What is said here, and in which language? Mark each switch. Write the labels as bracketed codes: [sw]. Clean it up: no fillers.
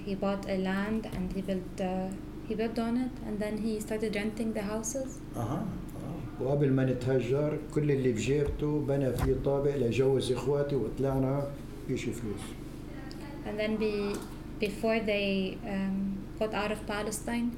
[en] He bought a land and he built on it, and then he started renting the houses. [ar] وقبل ما نتهجر كل اللي بجيبته بنى فيه طابق لجوز إخواتي وطلعنا بيشي فلوس. [en] And then before they got out of Palestine,